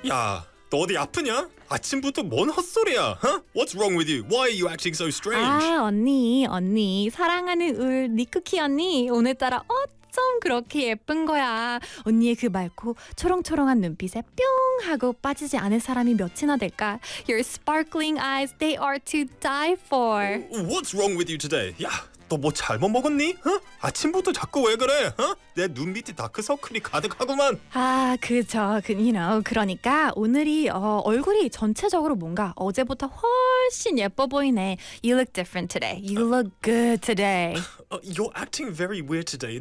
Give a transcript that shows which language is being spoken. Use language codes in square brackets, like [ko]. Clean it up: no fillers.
[ko] 야, 너 어디 아프냐? 아침부터 뭔 헛소리야? [en] Huh? What's wrong with you? Why are you acting so strange? [ko] 아, 언니, 언니, 사랑하는 우리 니쿠키 언니, 오늘따라 어쩜 그렇게 예쁜 거야? 언니의 그 맑고 초롱초롱한 눈빛에 뿅 하고 빠지지 않을 사람이 몇이나 될까? [en] Your sparkling eyes, they are to die for. What's wrong with you today? [ko] 야, 너 뭐 잘못 먹었니? 어? 아침부터 자꾸 왜 그래? 어? 내 눈 밑이 다크서클이 가득하구만. 아, 그죠. [en] You know, [ko] 그러니까 오늘이 얼굴이 전체적으로 뭔가 어제보다 훨씬 예뻐 보이네. [en] You look different today. You look good today. You're acting very weird today.